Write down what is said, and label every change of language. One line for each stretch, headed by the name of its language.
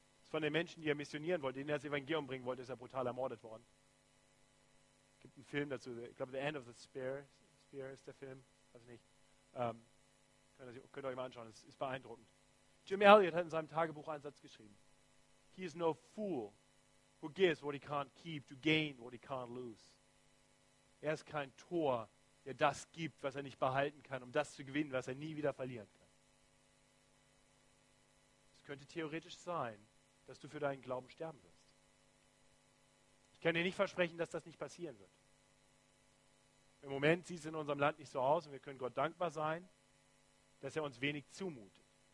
German: Von den Menschen, die er missionieren wollte, denen er das Evangelium bringen wollte, ist er brutal ermordet worden. Es gibt einen Film dazu, ich glaube, The End of the Spear ist der Film, weiß ich nicht. Könnt ihr euch mal anschauen, es ist beeindruckend. Jim Elliot hat in seinem Tagebuch einen Satz geschrieben.
English: He is no fool who gives what he can't keep to gain what he can't lose.
German: Er ist kein Tor, der das gibt, was er nicht behalten kann, um das zu gewinnen, was er nie wieder verlieren kann. Es könnte theoretisch sein, dass du für deinen Glauben sterben wirst. Ich kann dir nicht versprechen, dass das nicht passieren wird. Im Moment sieht es in unserem Land nicht so aus und wir können Gott dankbar sein, dass er uns wenig zumutet.